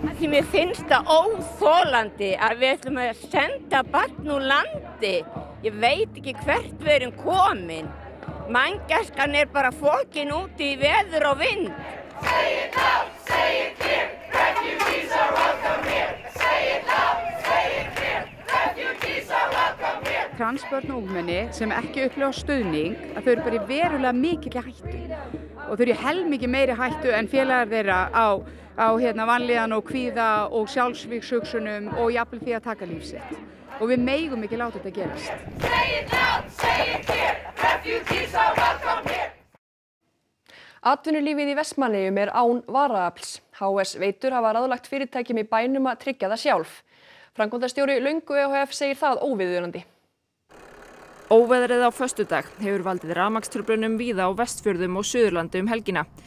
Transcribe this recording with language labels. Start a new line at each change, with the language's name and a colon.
Icelandic: Mér finnst það óþolandi að við ætlum að senda barn úr landi. Ég veit ekki hvert við erum komin. Manngæskan bara fokin úti í veður og vind.
English: Say it loud, say it clear, refugees are welcome here. Say it loud, say it clear, refugees are welcome here.
Icelandic: Transbörn og ungmenni sem ekki upplifa stuðning, að þau eru bara í verulega mikilli hættu. Og þau eru í helmingi meiri hættu en félagar þeirra á hérna vanlíðan og kvíða og sjálfsvíkshugsunum og jafnvel því að taka líf sitt. Og við megum ekki láta þetta gerast.
English: Say it loud, say it here, refugees are welcome here.
Icelandic: Atvinnulífið í Vestmannaeyjum án varaafls. HS Veitur hafa ráðlagt fyrirtækjum í bænum að tryggja það sjálf. Framkvæmdastjóri Löngu EHF segir það óviðunandi. Óveðrið á föstudag hefur valdið rafmagnstruflunum víða á Vestfjörðum og Suðurlandi helgina.